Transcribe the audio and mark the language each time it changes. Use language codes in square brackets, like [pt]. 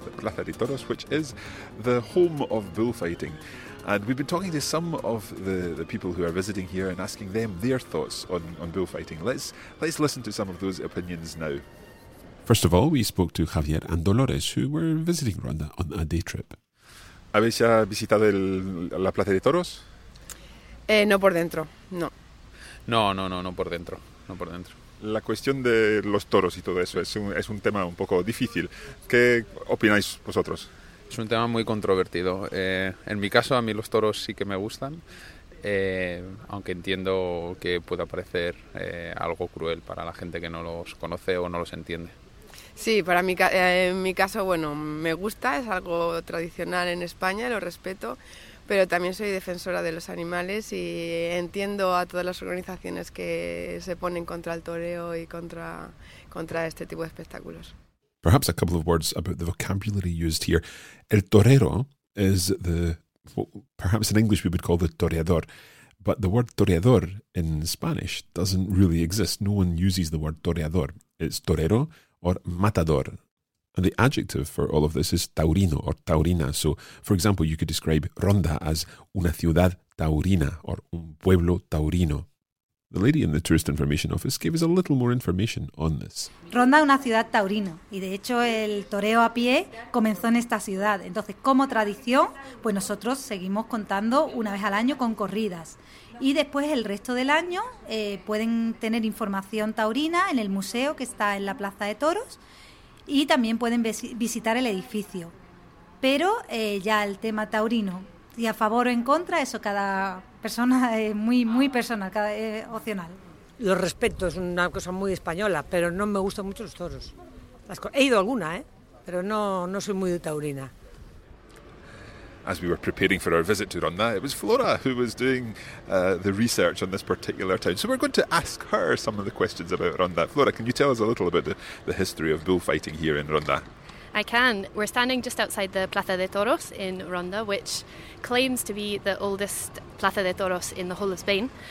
[en] The Plaza de Toros, which is the home of bullfighting. And we've been talking to some of the people who are visiting here and asking them their thoughts on bullfighting. Let's listen to some of those opinions now. First of all, we spoke to Javier and Dolores, who were visiting Ronda on a day trip. [es] ¿Habéis ya visitado la Plaza de Toros? No por dentro, no. No, por dentro. No por dentro. La cuestión de los toros y todo eso es un tema un poco difícil. ¿Qué opináis vosotros? Es un tema muy controvertido. En mi caso, a mí los toros sí que me gustan, aunque entiendo que pueda parecer algo cruel para la gente que no los conoce o no los entiende. Sí, para mí, en mi caso, bueno, me gusta, es algo tradicional en España, lo respeto. Pero también soy defensora de los animales y entiendo a todas las organizaciones que se ponen contra el toreo y contra este tipo de espectáculos. [en] Perhaps a couple of words about the vocabulary used here. El torero is the, well, perhaps in English we would call the toreador, but the word toreador in Spanish doesn't really exist. No one uses the word toreador. It's torero or matador. And the adjective for all of this is taurino or taurina. So, for example, you could describe Ronda as [es] una ciudad taurina [en] or [es] un pueblo taurino. [en] The lady in the tourist information office gave us a little more information on this. [es] Ronda es una ciudad taurina y, de hecho, el toreo a pie comenzó en esta ciudad. Entonces, como tradición, pues nosotros seguimos contando una vez al año con corridas. Y después, el resto del año, pueden tener información taurina en el museo que está en la Plaza de Toros. Y también pueden visitar el edificio. Pero ya el tema taurino, y a favor o en contra, eso cada persona es muy, muy personal, opcional. Lo respeto, es una cosa muy española, pero no me gustan mucho los toros. He ido alguna, pero no soy muy de taurina. [en] as we were preparing for our visit to Ronda, it was Flora who was doing the research on this particular town. So we're going to ask her some of the questions about Ronda. Flora, can you tell us a little about the history of bullfighting here in Ronda? I can. We're standing just outside the Plaza de Toros in Ronda, which claims to be the oldest Plaza de Toros in the whole of Spain.